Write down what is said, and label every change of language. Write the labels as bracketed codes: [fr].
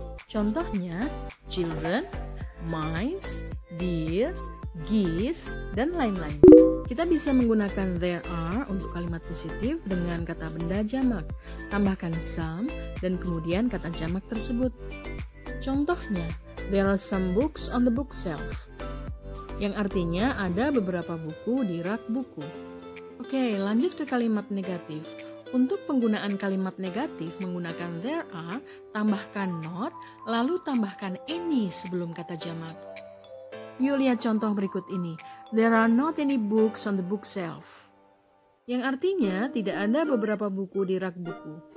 [id] Contohnya, children, mice, deer, geese, dan lain-lain. Kita bisa menggunakan there are untuk kalimat positif dengan kata benda jamak. Tambahkan some dan kemudian kata jamak tersebut. Contohnya, [en] there are some books on the bookshelf. [id] Yang artinya ada beberapa buku di rak buku. Oke, lanjut ke kalimat negatif. Untuk penggunaan kalimat negatif menggunakan there are, tambahkan not, lalu tambahkan any sebelum kata jamak. Yuk lihat contoh berikut ini. [en] There are not any books on the bookshelf. [id] Yang artinya tidak ada beberapa buku di rak buku.